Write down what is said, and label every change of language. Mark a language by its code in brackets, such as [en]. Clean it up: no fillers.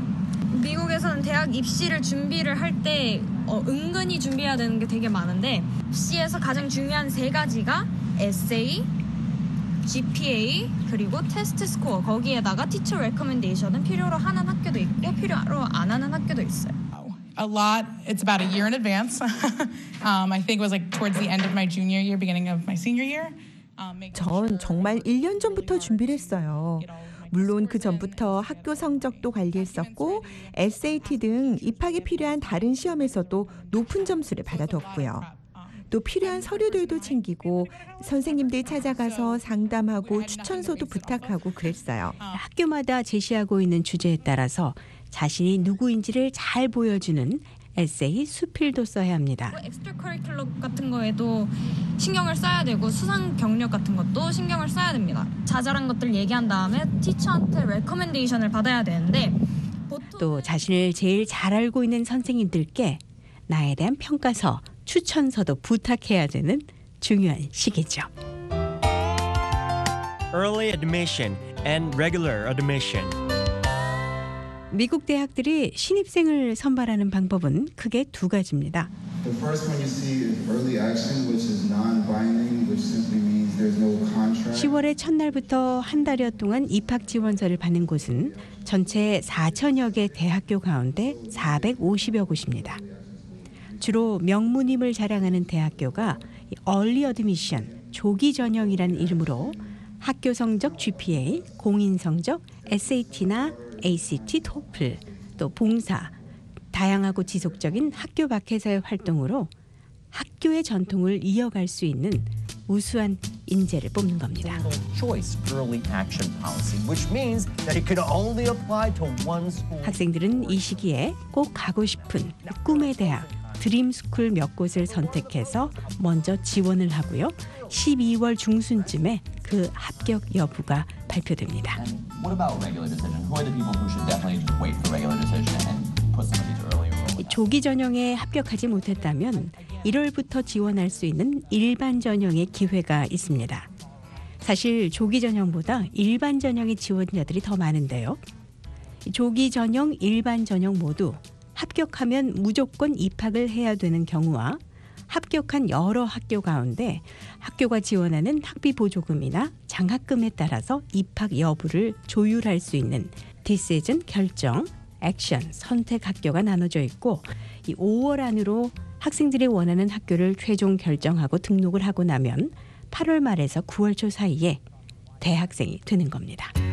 [ko] 미국에서는 대학 입시를 준비를 할 때 은근히 준비해야 되는 게 되게 많은데 입시에서 가장 중요한 세 가지가 에세이, GPA 그리고 테스트 스코어 거기에다가 티처 레커멘데이션은 필요로 하는 학교도 있고 필요로 안 하는 학교도 있어요. [en] A lot. It's about a year in advance. I think it was like towards the end of my junior year, beginning of my senior year. [ko] 전 정말 1년 전부터 준비를 했어요. 물론 그 전부터 학교 성적도 관리했었고 SAT 등 입학에 필요한 다른 시험에서도 높은 점수를 받아뒀고요. 또 필요한 서류들도 챙기고 선생님들 찾아가서 상담하고 추천서도 부탁하고 그랬어요. 학교마다 제시하고 있는 주제에 따라서 자신이 누구인지를 잘 보여주는 에세이 수필도 써야 합니다. 엑스트라커리큘러 같은 거에도 신경을 써야 되고 수상 경력 같은 것도 신경을 써야 됩니다. 자잘한 것들 얘기한 다음에 티처한테 레커멘데이션을 받아야 되는데 또 자신을 제일 잘 알고 있는 선생님들께 나에 대한 평가서 추천서도 부탁해야 되는 중요한 시기죠. [en] Early admission and regular admission. [ko] 미국 대학들이 신입생을 선발하는 방법은 크게 두 가지입니다. [en] The first one you see is early action, which is non-binding, which simply means there's no contract. [ko] 10월의 첫날부터 한 달여 동안 입학 지원서를 받는 곳은 전체 4천여 개 대학교 가운데 450여 곳입니다. 주로 명문임을 자랑하는 대학교가 Early Admission, 조기 전형이라는 이름으로 학교 성적 GPA, 공인 성적, SAT나 ACT, TOEFL, 또 봉사, 다양하고 지속적인 학교 밖에서의 활동으로 학교의 전통을 이어갈 수 있는 우수한 인재를 뽑는 겁니다. [en] Choice early action policy, which means that it could only apply to one school. [ko] 학생들은 이 시기에 꼭 가고 싶은 꿈의 대학, 드림스쿨 몇 곳을 선택해서 먼저 지원을 하고요. 12월 중순쯤에 그 합격 여부가 발표됩니다. [en] What about regular decision? Who are the people who should definitely wait for regular decision and put some of these earlier? [ko] 조기 전형에 합격하지 못했다면 1월부터 지원할 수 있는 일반 전형의 기회가 있습니다. 사실 조기 전형보다 일반 전형의 지원자들이 더 많은데요. 조기 전형, 일반 전형 모두 합격하면 무조건 입학을 해야 되는 경우와 합격한 여러 학교 가운데 학교가 지원하는 학비 보조금이나 장학금에 따라서 입학 여부를 조율할 수 있는 decision, 결정, action, 선택 학교가 나눠져 있고 이 5월 안으로 학생들이 원하는 학교를 최종 결정하고 등록을 하고 나면 8월 말에서 9월 초 사이에 대학생이 되는 겁니다.